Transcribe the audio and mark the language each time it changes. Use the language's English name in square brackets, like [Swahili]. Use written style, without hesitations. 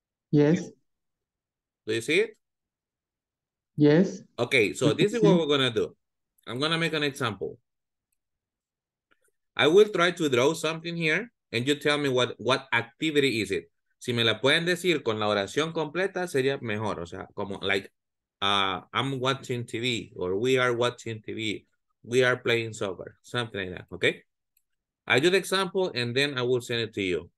[English] Yes. Do you see it? Yes. Okay, so this is what we're gonna do. I'm gonna make an example. I will try to draw something here and you tell me what activity is it. [Spanish] Si me la pueden decir con la oración completa, sería mejor. O sea, como [English] like I'm watching TV or we are watching TV. We are playing soccer, something like that, okay? I do the example and then I will send it to you.